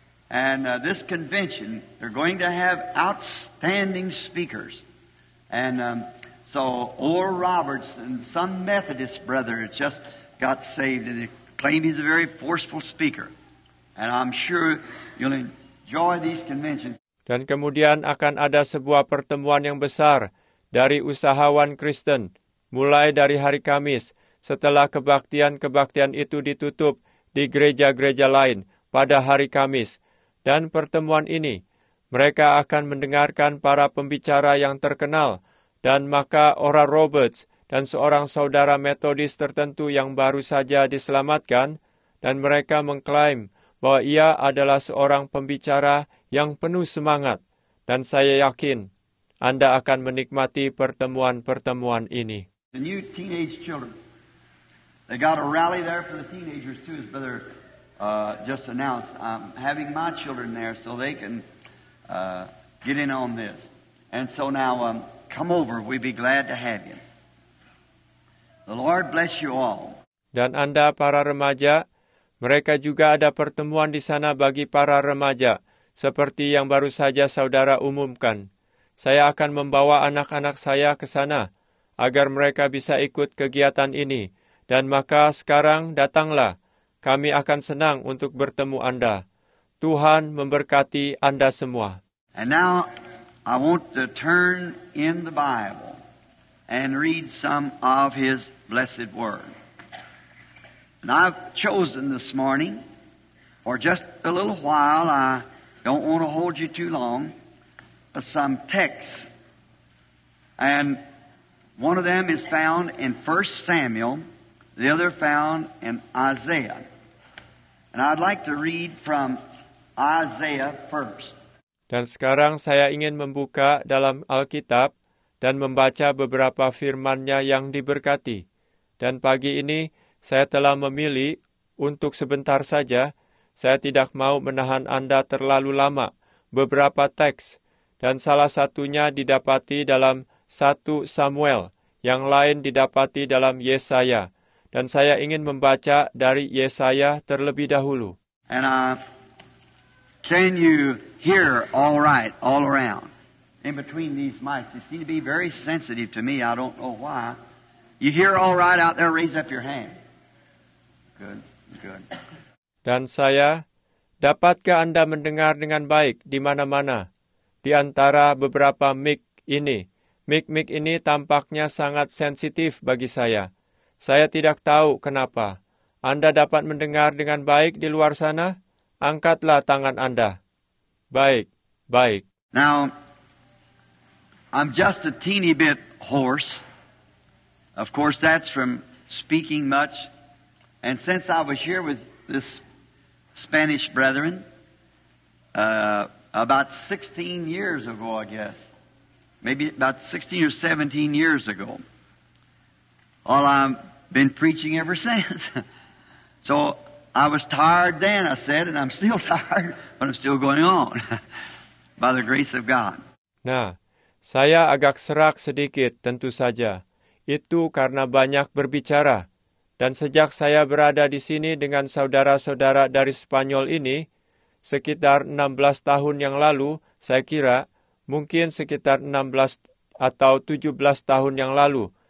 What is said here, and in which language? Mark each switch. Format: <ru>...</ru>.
<en>And this convention, they're going to have outstanding speakers. And so Oral Roberts and some Methodist brother just got saved and they claim he's a very forceful speaker. And I'm sure you'll enjoy these conventions.</en> <id>Dan kemudian akan ada sebuah pertemuan yang besar dari usahawan Kristen mulai dari hari Kamis setelah kebaktian-kebaktian itu ditutup di gereja-gereja lain pada hari Kamis. Dan pertemuan ini, mereka akan mendengarkan para pembicara yang terkenal, dan maka Oral Roberts dan seorang saudara Methodist tertentu yang baru saja diselamatkan, dan mereka mengklaim bahwa ia adalah seorang pembicara yang penuh semangat, dan saya yakin Anda akan menikmati pertemuan-pertemuan ini.</id> <en>The new teenage children, they got a rally there for the teenagers too, his brother. Just announced, I'm having my children there so they can get in on this. And so now, come over, we'd be glad to have you. The Lord bless you all.</en> <id>Dan Anda para remaja, mereka juga ada pertemuan di sana bagi para remaja, seperti yang baru saja saudara umumkan. Saya akan membawa anak-anak saya ke sana, agar mereka bisa ikut kegiatan ini. Dan maka sekarang datanglah. Kami akan senang untuk bertemu Anda. Tuhan memberkati Anda semua.</id> <en>And now I want to turn in the Bible and read some of His blessed word. And I've chosen this morning, for just a little while, I don't want to hold you too long, but some texts. And one of them is found in 1 Samuel, the other found in Isaiah. And I'd like to read from Isaiah first.</en> <id>Dan sekarang saya ingin membuka dalam Alkitab dan membaca beberapa firman-Nya yang diberkati. Dan pagi ini saya telah memilih untuk sebentar saja, saya tidak mau menahan Anda terlalu lama, beberapa teks. Dan salah satunya didapati dalam 1 Samuel, yang lain didapati dalam Yesaya. Dan saya ingin membaca dari Yesaya terlebih dahulu.</id> <en>And can you hear all right, all around? in between these mics. You seem to be very sensitive to me. I don't know why. You hear all right out there? Raise up your hand. Good, good.</en> <id>Dan saya, dapatkah Anda mendengar dengan baik di mana-mana? Di antara beberapa mic ini. Mic-mic ini tampaknya sangat sensitif bagi saya. Saya tidak tahu kenapa. Anda dapat mendengar dengan baik di luar sana? Angkatlah tangan Anda. Baik, baik.</id> <en>Now, I'm just a teeny bit hoarse. Of course, that's from speaking much. And since I was here with this Spanish brethren, about 16 years ago, I guess, maybe about 16 or 17 years ago, well, I've been preaching ever since. So I was tired then, I said, and I'm still tired, but I'm still going on by the grace of God.</en> <id>Nah, saya agak serak sedikit, tentu saja. Itu karena banyak berbicara. Dan sejak saya berada di sini dengan saudara-saudara dari Spanyol ini, sekitar 16 tahun yang lalu, saya kira, mungkin sekitar 16 atau 17 tahun yang lalu.</id>